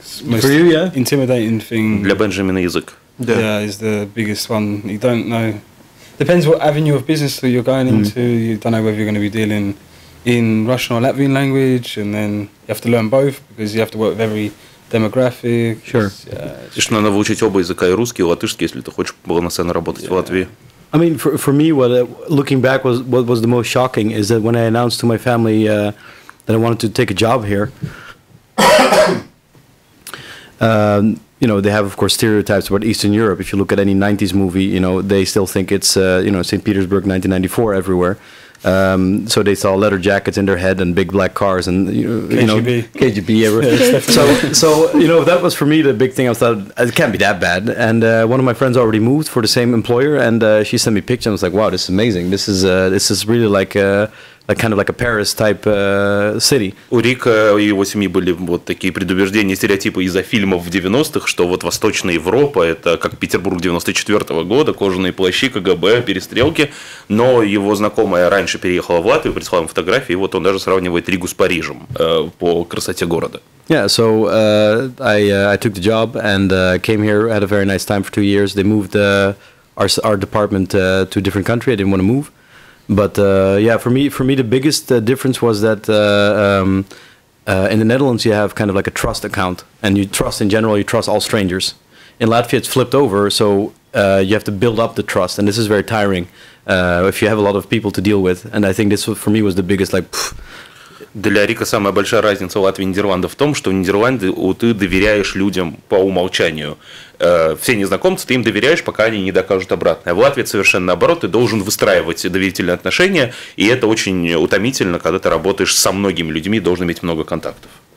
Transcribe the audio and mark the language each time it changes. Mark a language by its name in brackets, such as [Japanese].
[English] For you, yeah? Intimidating thing. [Russian] Для Бенджамина язык. [English] Yeah, is the biggest one. You don't know. Depends what avenue of business that you're going into. You don't know whether you're going to be dealing in Russian or Latvian language, and then you have to learn both because you have to work with every demographic. Sure. [Russian] Yeah, что надо выучить оба языка, и русский, и латышский, если ты хочешь полноценно работать в Латвии. [English] I mean, for me, what looking back was what was the most shocking is that when I announced to my family that I wanted to take a job here, you know, they have of course stereotypes about Eastern Europe. If you look at any 90s movie, you know, they still think it's you know, St. Petersburg 1994 everywhere. So they saw leather jackets in their head and big black cars and KGB. So you know, that was for me the big thing. I thought it can't be that bad. And one of my friends already moved for the same employer, and she sent me pictures. I was like, wow, this is amazing. This is really like a kind of like a Paris type city. [Russian] У Рика и его семьи были вот такие предубеждения, стереотипы из-за фильмов в 90-х, что вот Восточная Европа – это как Петербург 94-го года, кожаные плащи, КГБ, перестрелки. Но его знакомая раньше переехала в Латвию, прислала ему фотографии, и вот он даже сравнивает Ригу с Парижем по красоте города. [English] Yeah, so I took the job and came here, had a very nice time for 2 years. They moved our department to a different country. I didn't want to move. But yeah, for me, the biggest difference was that in the Netherlands you have kind of like a trust account, and you trust in general, you trust all strangers. In Latvia, it's flipped over, so you have to build up the trust, and this is very tiring if you have a lot of people to deal with. And I think this for me was the biggest like. [Russian] Для Рика самая большая разница Латвии и Нидерландов в том, что в Нидерланды ты доверяешь людям по умолчанию. Все незнакомцы, ты им доверяешь, пока они не докажут обратное. В Латвии совершенно наоборот, ты должен выстраивать доверительные отношения, и это очень утомительно, когда ты работаешь со многими людьми, должен иметь много контактов.